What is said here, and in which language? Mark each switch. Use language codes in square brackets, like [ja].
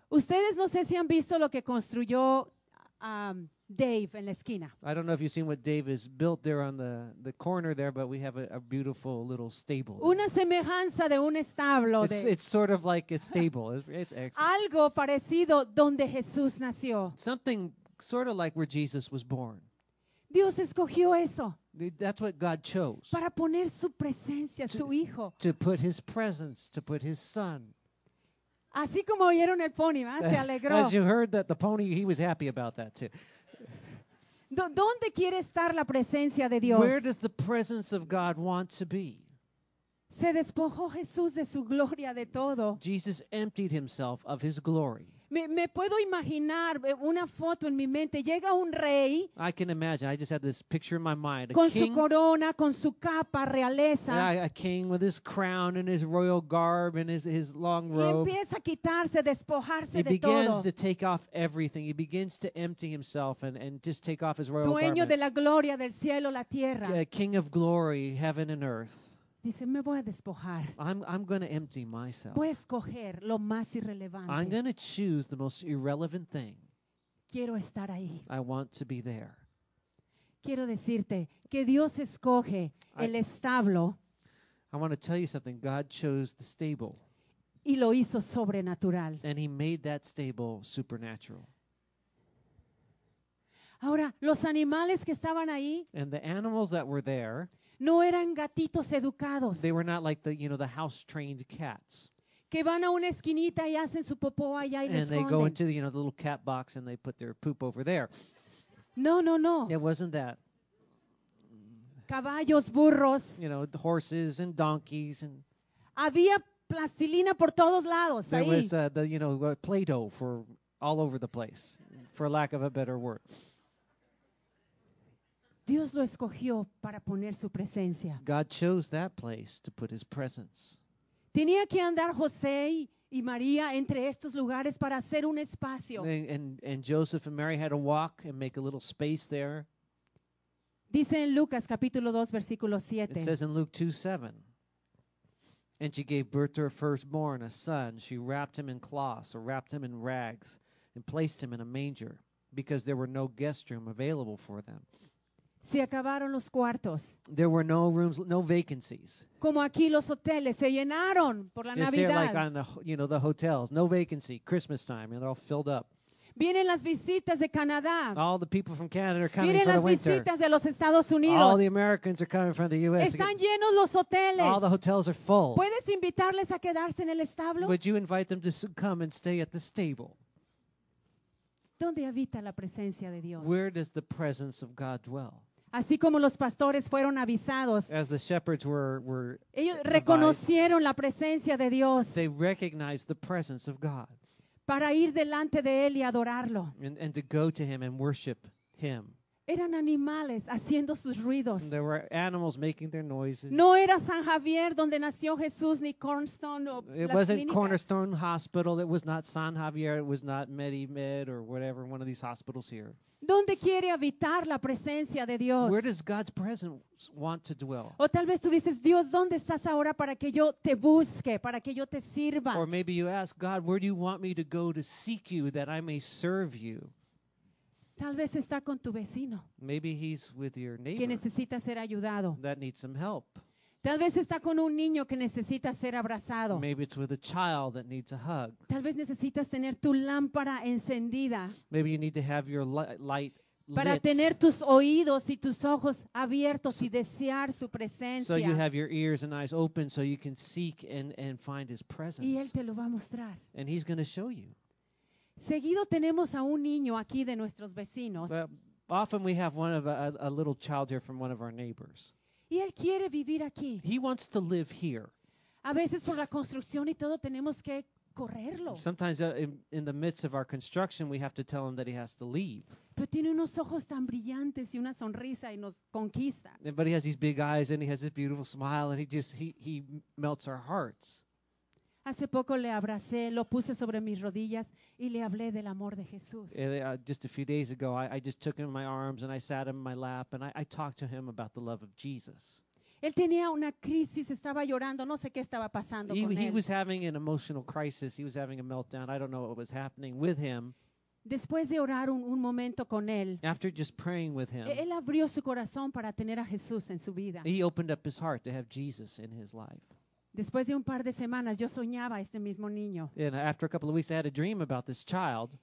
[es] Ustedes no sé si han visto lo que construyó Dave en la esquina. [en] I don't know if you've seen what Dave has built there on the corner there, but we have a beautiful little stable. [es] Una semejanza de un establo. [en] It's sort of like a stable. It's [es] algo parecido donde Jesús nació. [en] Something sort of like where Jesus was born. [es] Dios escogió eso. [en] That's what God chose. [es] Para poner su presencia, su hijo. [en] To put his presence, to put his son. [es] Así como oyeron el pony, ¿va? Se alegró. [en] As you heard that the pony, he was happy about that too. [es] ¿Dónde quiere estar la presencia de Dios? [en] Where does the presence of God want to be? [es] Se despojó Jesús de su gloria de todo. [en] Jesus emptied himself of his glory. [es] Me puedo imaginar una foto en mi mente. Llega un rey. [en] I can imagine. I just had this picture in my mind. [es] Con [en] king, [es] su corona, con su capa, realeza. [en] A king with his crown and his royal garb and his long robe. [es] Y empieza a quitarse, despojarse [en] he [es] de todo. [en] He begins to take off everything. He begins to empty himself and just take off his royal [es] Dueño [en] garments. [es] Dueño de la gloria del cielo, la tierra. [en] King of glory, heaven and earth. [es] Dice, me voy a despojar. [en] I'm going to empty myself. [es] Voy a escoger lo más irrelevante. [en] I'm going to choose the most irrelevant thing. [es] Quiero estar ahí. [en] I want to be there. [es] Quiero decirte que Dios escoge el establo. [en] I want to tell you something. God chose the stable. [es] Y lo hizo sobrenatural. [en] And he made that stable supernatural. [es] Ahora, los animales que estaban ahí. [en] And the animals that were there. [es] No eran gatitos educados. [en] They were not like the, you know, the house-trained cats. [es] Que van a una esquinita y hacen su popó allá y [en] and [es] le esconden. [en] And they go into the, you know, the little cat box and they put their poop over there. [es] No. [en] It wasn't that. [es] Caballos, burros. [en] You know, the horses and donkeys and. [es] Había plastilina por todos lados. [en] There [es] ahí. [en] Was the, you know, Play-Doh for all over the place, for lack of a better word. [es] Dios lo escogió para poner su presencia. [en] God chose that place to put his presence. [es] Tenía que andar José y María entre estos lugares para hacer un espacio. [en] And Joseph and Mary had to walk and make a little space there. [es] Dice en Lucas capítulo 2 versículo 7. [en] It says in Luke 2:7. And she gave birth to her firstborn, a son. She wrapped him in cloths or wrapped him in rags and placed him in a manger because there were no guest room available for them. [es] Se acabaron los cuartos. [en] There were no rooms, no vacancies. [es] Como aquí los hoteles se llenaron por la [en] Just [es] Navidad. [en] There like on the, you know, the hotels, no vacancy, Christmas time, and they're all filled up. [es] Vienen las visitas de Canadá. [en] All the people from Canada are coming [es] Vienen [en] for the winter. [es] Vienen las visitas de los Estados Unidos. [en] All the Americans are coming from the U.S. [es] Están llenos los hoteles. [en] All the hotels are full. [es] ¿Puedes invitarles a quedarse en el establo? [en] Would you invite them to come and stay at the stable? [es] ¿Dónde habita la presencia de Dios? [en] Where does the presence of God dwell? [es] Así como los pastores fueron avisados. [en] As the shepherds were [es] ellos reconocieron la presencia de Dios. [en] They recognized the presence of God. [es] Para ir delante de él y adorarlo. [en] And to go to him and worship him. [es] Eran animales haciendo sus ruidos. [en] And there were animals making their noises. [es] No era San Javier donde nació Jesús ni Cornerstone o [en] It [es] las clínicas. [en] It wasn't Cornerstone Hospital. It was not San Javier. It was not MediMed or whatever, one of these hospitals here. [es] ¿Dónde quiere habitar la presencia de Dios? [en] Where does God's presence want to dwell? [es] O tal vez tú dices, Dios, ¿dónde estás ahora para que yo te busque, para que yo te sirva? [en] Or maybe you ask, God, where do you want me to go to seek you that I may serve you? [es] Tal vez está con tu vecino. [en] Maybe he's with your neighbor. [es] Que necesita ser ayudado. [en] That needs some help. [es] Tal vez está con un niño que necesita ser abrazado. [en] Maybe it's with a child that needs a hug. [es] Tal vez necesitas tener tu lámpara encendida. [en] Maybe you need to have your light [es] para [en] lit. [es] Tener tus oídos y tus ojos abiertos y desear su presencia. [en] So you have your ears and eyes open so you can seek and find his presence. [es] Y él te lo va a mostrar. [en] And he's going to show you. [es] Seguido tenemos a un niño aquí de nuestros vecinos. [en] But often we have one of a little child here from one of our neighbors. [es] Y él quiere vivir aquí. [en] He wants to live here. [es] A veces por la construcción y todo tenemos que correrlo. [en] Sometimes in the midst of our construction we have to tell him that he has to leave. [es] Pero tiene unos ojos tan brillantes y una sonrisa y nos conquista. [en] But he has these big eyes and he has this beautiful smile and he melts our hearts. [es] Hace poco le abracé, lo puse sobre mis rodillas y le hablé del amor de Jesús. [en] Just a few days ago, I just took him in my arms and I sat him in my lap and I talked to him about the love of Jesus. [es] Él tenía una crisis, estaba llorando, no sé qué estaba pasando con él. [en] He was having an emotional crisis, he was having a meltdown, I don't know what was happening with him. [es] Después de orar un momento con él, [en] after just praying with him, [es] él abrió su corazón para tener a Jesús en su vida. [en] He opened up his heart to have Jesus in his life. [es] Después de un par de semanas, yo soñaba a este mismo niño. [en] And after a couple of weeks, I had a dream about this child.